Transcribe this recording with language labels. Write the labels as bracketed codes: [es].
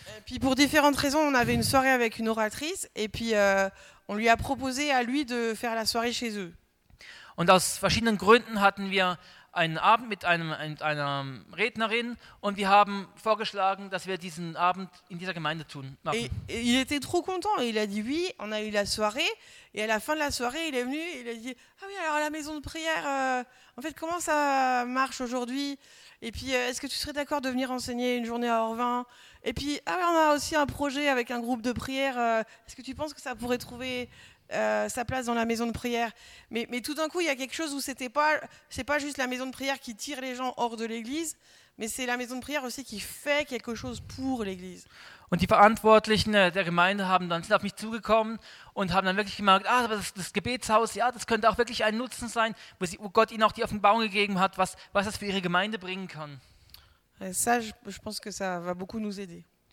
[fr] Et puis, pour différentes raisons, on avait une soirée avec une oratrice et puis on lui a proposé à lui de faire la soirée chez eux. [de] Und aus verschiedenen Gründen hatten wir einen Abend mit einer Rednerin und wir haben vorgeschlagen, dass wir diesen Abend in dieser Gemeinde tun. [fr] Et il était trop content, il a dit oui, on a eu la soirée et à la fin de la soirée, il est venu, il a dit ah oui, alors la maison de prière en fait comment ça marche aujourd'hui? Et puis est-ce que tu serais d'accord de venir enseigner une journée à Orvin? Et puis ah oui, on a aussi un projet avec un groupe de prière, est-ce que tu penses que ça pourrait trouver sa place dans la maison de prière? Mais tout d'un coup, il y a quelque chose où c'est pas juste la maison de prière qui tire les gens hors de l'église, mais c'est la maison de prière aussi qui fait quelque chose pour l'église. [de] Und die Verantwortlichen der Gemeinde haben dann sind auf mich zugekommen und haben dann wirklich gemerkt, ah, das Gebetshaus, ja, das könnte auch wirklich ein Nutzen sein, wo Gott ihnen auch die Offenbarung gegeben hat, was das für ihre Gemeinde bringen kann. [fr] Et ça, je pense que ça va beaucoup nous aider.